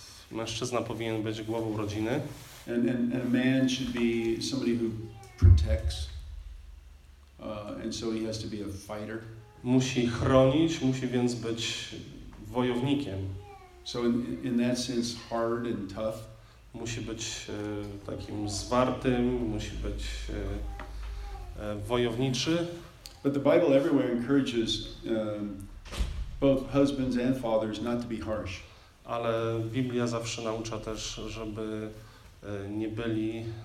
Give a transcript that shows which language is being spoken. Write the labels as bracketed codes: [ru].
[pl] Mężczyzna powinien być głową rodziny. [en] And a man should be somebody who protects, and so he has to be a fighter. [pl] Musi chronić, musi więc być wojownikiem. [en] So in that sense, hard and tough. [pl] Musi być takim zwartym, musi być wojowniczy. [en] But the Bible everywhere encourages both husbands and fathers not to be harsh. [pl] Ale Biblia zawsze naucza też, żeby nie byli